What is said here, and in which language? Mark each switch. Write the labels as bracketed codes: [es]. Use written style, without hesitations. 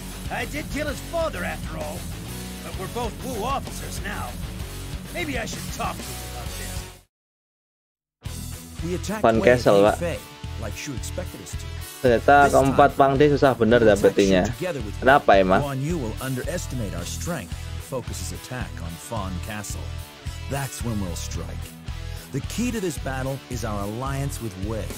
[en] I did kill his father after all, but we're both Wu officers now. Maybe I should talk to him about this. We attacked Wei Fei, like Shu expected us to. [id] Ternyata keempat pangde susah bener dapetinnya. Kenapa emang? [en] Guan Yu will underestimate our strength, focus his attack on Fawn Castle. That's when we'll strike. The key to this battle is our alliance with Wei.